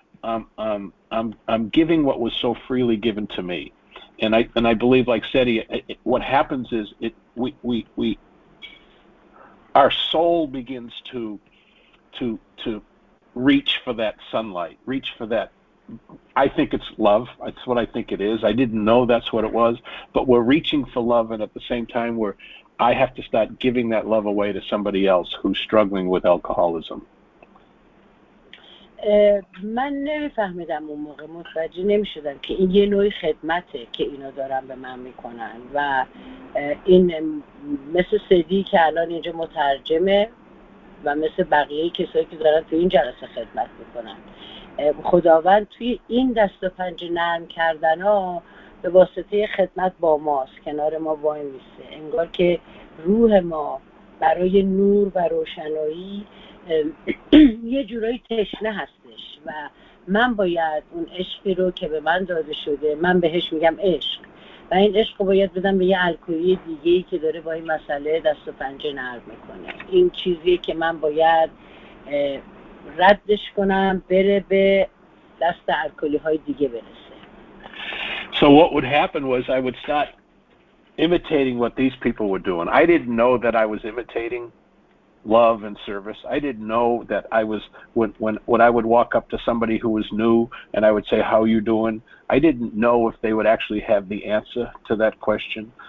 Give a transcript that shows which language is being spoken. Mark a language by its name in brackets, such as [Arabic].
[English] I'm giving what was so freely given to me, and I believe like Seti, what happens is we our soul begins to reach for that sunlight, reach for that I think it's love. That's what I think it is. I didn't know that's what it was, but we're reaching for love, and at the same time, we're, I have to start giving that love away to somebody else who's struggling with alcoholism. [Persian] من نمیفهمیدم اون موقع متوجه نمیشدم که این یه نوعی خدمته که اینا دارن به من میکنن و این مثل سدی که الان اینجا مترجمه و مثل بقیه کسایی که دارن توی این جلسه خدمت میکنن خداوند توی این دست و پنجه نرم کردن ها به واسطه خدمت با ماست کنار ما وای میسته انگار که روح ما برای نور و روشنایی یه جورای تشنه هستش و من باید اون عشقی رو که به من داده شده من بهش میگم عشق و این عشق رو باید بدم به یه الکلی دیگهی که داره با این مسئله دست و پنجه نرم میکنه این چیزیه که من باید ردش کنم بره به دست الکلی های دیگه برسه [English] So what would happen was I would start imitating what these people were doing I didn't know that I was imitating love and service. I didn't know that I was when I would walk up to somebody who was new and I would say, how are you doing? I didn't know if they would actually have the answer to that question.